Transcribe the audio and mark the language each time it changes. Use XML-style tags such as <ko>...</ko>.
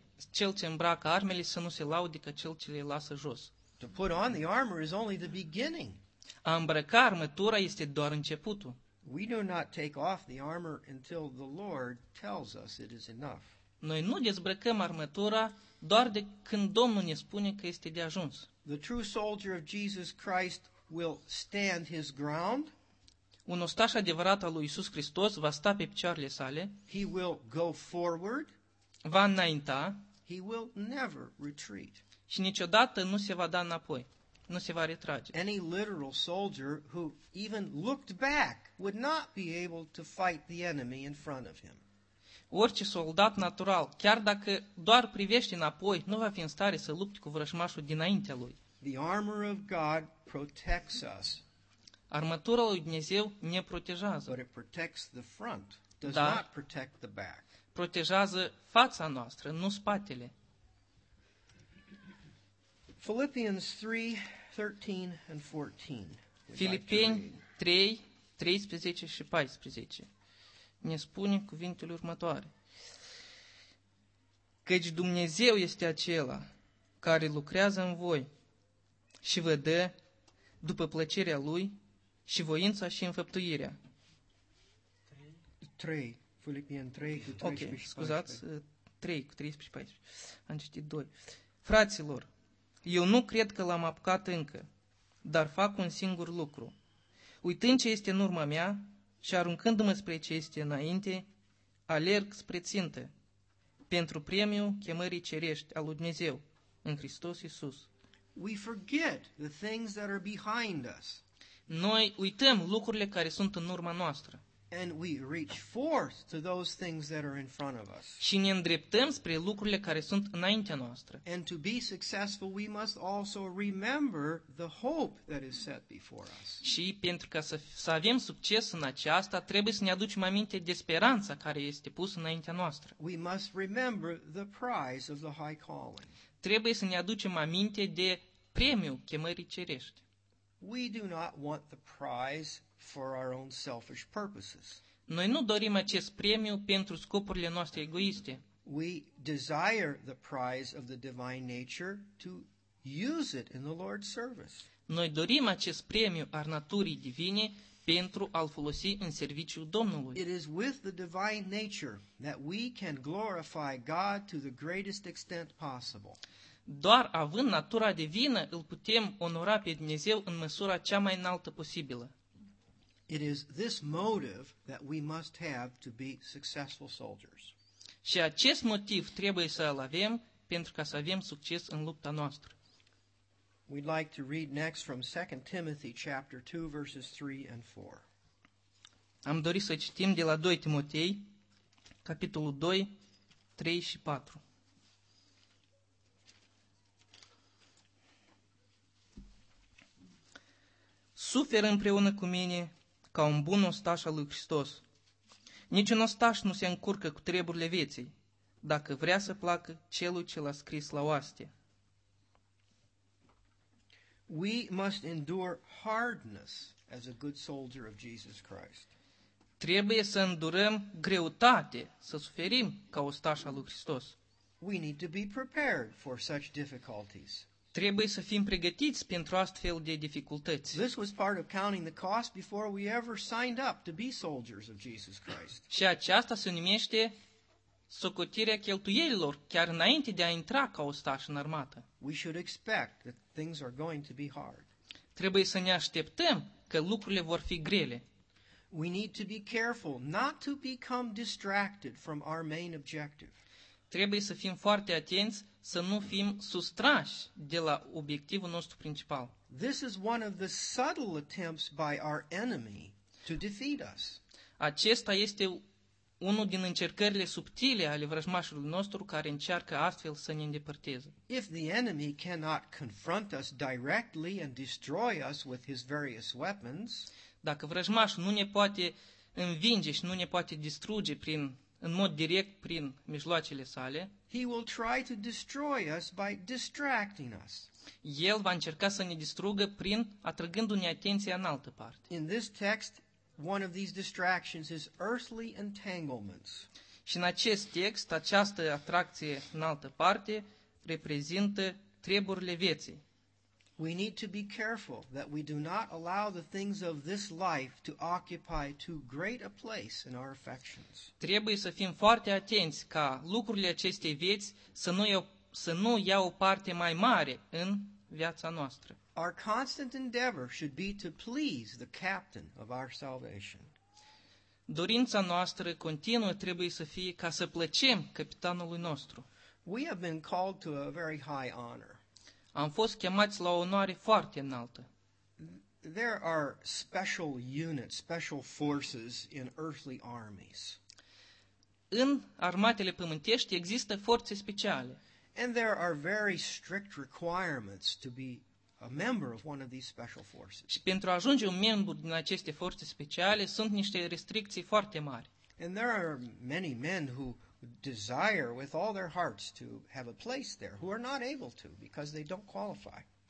<ro>Cel ce îmbracă armele să nu se laude ca cel ce le lasă jos.</ro> <en>To put on the armor is only the beginning.</en> <ro>A îmbrăca armătura este doar începutul.</ro> <en>We do not take off the armor until the Lord tells us it is enough.</en> <ro>Noi nu dezbrăcăm armătura doar de când Domnul ne spune că este de ajuns.</ro> <en>The true soldier of Jesus Christ will stand his ground.</en> <ro>Un ostaș adevărat al lui Iisus Hristos va sta pe picioarele sale.</ro> <en>He will go forward.</en> <ro>Va înainta.</ro> <en>He will never retreat.</en> <ro>Și niciodată nu se va da înapoi. Nu se va retrage.</ro> <en>Any literal soldier who even looked back would not be able to fight the enemy in front of him.</en> <ro>Orice soldat natural, chiar dacă doar privește înapoi, nu va fi în stare să lupte cu vrăjmașul dinaintea lui.</ro> <en>The armor of God protects us.</en> <ro>Armatura lui Dumnezeu ne protejează.</ro> <en>But it protects the front, does not protect the back.</en> <ro>Protejează fața noastră, nu spatele.</ro> <en>Philippians 3:13 and 14.</en> <ro>Filipeni 3, 13 și 14. Ne spune cuvintele următoare. Căci Dumnezeu este acela care lucrează în voi și vă dă după plăcerea lui și voința și înfăptuirea. 3, Filipeni 3 cu 13 și 14. Ok, scuzați, 3 cu 13 și 14. Am citit 2. Fraților, eu nu cred că l-am apucat încă, dar fac un singur lucru. Uitând ce este în urma mea și aruncându-mă spre ce este înainte, alerg spre țintă, pentru premiul chemării cerești al lui Dumnezeu, în Hristos Iisus.</ro> <en>We forget the things that are behind us.</en> <ro>Noi uităm lucrurile care sunt în urma noastră.</ro> <en>And we reach forth to those things that are in front of us.</en> <ro>Și ne îndreptăm spre lucrurile care sunt înaintea noastră.</ro> <en>And to be successful, we must also remember the hope that is set before us.</en> <ro>Și pentru ca să avem succes în aceasta, trebuie să ne aducem aminte de speranța care este pusă înaintea noastră.</ro> <en>We must remember the prize of the high calling.</en> <ro>Trebuie să ne aducem aminte de premiul chemării cerești.</ro> <en>We do not want the prize for our own selfish purposes.</en> <ro>Noi nu dorim acest premiu pentru scopurile noastre egoiste.</ro> <en>We desire the prize of the divine nature to use it in the Lord's service.</en> <ro>Noi dorim acest premiu al naturii divine pentru a-l folosi în serviciul Domnului.</ro> <en>It is with the divine nature that we can glorify God to the greatest extent possible.</en> <ro>Doar având natura divină, îl putem onora pe Dumnezeu în măsura cea mai înaltă posibilă.</ro> <en>It is this motive that we must have to be successful soldiers.</en> <ro>Și acest motiv trebuie să îl avem pentru ca să avem succes în lupta noastră.</ro> <en>We'd like to read next from 2 Timothy chapter 2 verses 3 and 4.</en> <ro>Am dorit să citim de la 2 Timotei capitolul 2, 3 și 4. Suferă împreună cu mine ca un bun ostaș al lui Hristos. Nici un ostaș nu se încurcă cu treburile vieții, dacă vrea să placă celui ce l-a scris la oaste.</ro> <en>We must endure hardness as a good soldier of Jesus Christ.</en> <ro>Trebuie să îndurăm greutate, să suferim ca ostaș al lui Hristos.</ro> <en>We need to be prepared for such difficulties.</en> <ro>Trebuie să fim pregătiți pentru astfel de dificultăți.</ro> <en>This was part of counting the cost before we ever signed up to be soldiers of Jesus Christ.</en> <ro>Și aceasta se numește socotirea cheltuielilor chiar înainte de a intra ca ostaș în armată.</ro> <en>We should expect that things are going to be hard.</en> <ro>Trebuie să ne așteptăm că lucrurile vor fi grele.</ro> <en>We need to be careful not to become distracted from our main objective.</en> <ro>Trebuie să fim foarte atenți să nu fim sustrași de la obiectivul nostru principal.</ro> <en>This is one of the subtle attempts by our enemy to defeat us.</en> <ro>Acesta este unul din încercările subtile ale vrăjmașului nostru care încearcă astfel să ne îndepărteze.</ro> <en>If the enemy cannot confront us directly and destroy us with his various weapons,</en> <ro>dacă vrăjmașul nu ne poate învinge și nu ne poate distruge prin în mod direct prin mijloacele sale,</ro> <en>he will try to destroy us by distracting us.</en> <ro>El va încerca să ne distrugă prin atrăgându-ne atenția în altă parte.</ro> <en>In this text, one of these distractions is earthly entanglements.</en> <ro>Și în acest text, această atracție în altă parte reprezintă treburile vieții.</ro> <en>We need to be careful that we do not allow the things of this life to occupy too great a place in our affections.</en> <ro>Trebuie să fim foarte atenți ca lucrurile acestei vieți să nu ia o parte mai mare în viața noastră.</ro> <en>Our constant endeavor should be to please the captain of our salvation.</en> <ro>Dorința noastră continuă trebuie să fie ca să plăcem capitanului nostru.</ro> <en>We have been called to a very high honor.</en> <ro>Am fost chemați la o onoare foarte înaltă.</ro> <en>There are special units, special forces in earthly armies.</en> <ro>În armatele pământești există forțe speciale.</ro> <en>And there are very strict requirements to be a member of one of these special forces.</en> <ro>Și pentru a ajunge un membru din aceste forțe speciale sunt niște restricții foarte mari.</ro> <en>And there are many men who desire with all their hearts to have a place there who are not able to because they don't qualify.</en>